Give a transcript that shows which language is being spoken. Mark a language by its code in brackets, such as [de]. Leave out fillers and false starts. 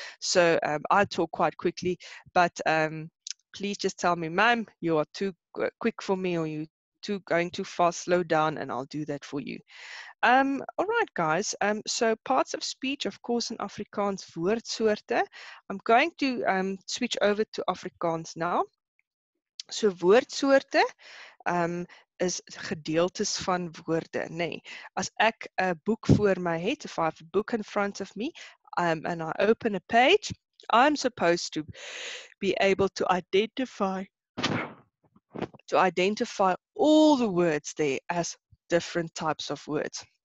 [en] So I talk quite quickly, but please just tell me, ma'am, you are too quick for me, or you're too going too fast, slow down, and I'll do that for you. All right, guys. So parts of speech, of course, in Afrikaans, woordsoorte. I'm going to switch over to Afrikaans now. [af] So woordsoorte is gedeeltes van woorde. Nee, as ek 'n boek voor my het, [en] if I have a book in front of me, and I open a page, I'm supposed to be able to identify all the words there as different types of words.